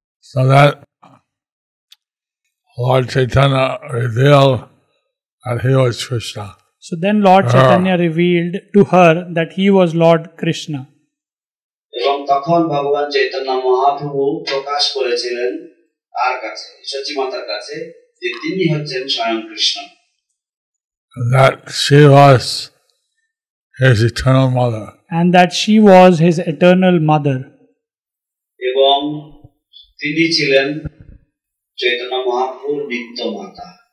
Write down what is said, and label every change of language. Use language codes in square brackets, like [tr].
[en] So that Lord Chaitanya revealed that he was Krishna. So then Lord Chaitanya revealed to her that he was Lord Krishna. [bn] এবং তখন ভগবান চৈতন্য মহাপ্রভু প্রকাশ করেছিলেন তার কাছে সচ্ছী মাতার কাছে যে তিনি হচ্ছেন স্বয়ং Krishna [en] and that she was his eternal mother and that she was his eternal mother [bn] এবং তিনি ছিলেন চৈতন্য মহাপ্রভুর নিত্য মাতা